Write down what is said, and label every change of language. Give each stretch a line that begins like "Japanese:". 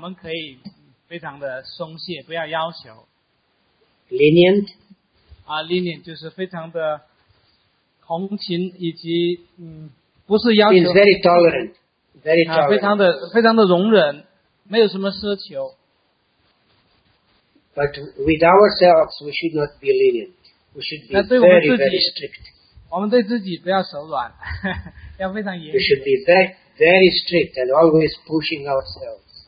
Chinese: 就是说对别人呢，我们可以非常的松懈，不要要求。
English: Lenient?
Chinese: Lenient就是非常的 同情以及不是要求，
English: it's very tolerant, very tolerant.
Chinese: 非常的容忍，没有什么奢求。
English: But with ourselves, we should not be lenient. We should be very strict.
Chinese: 我们对自己不要手软，要非常严。
English: We should be very strict and always pushing ourselves.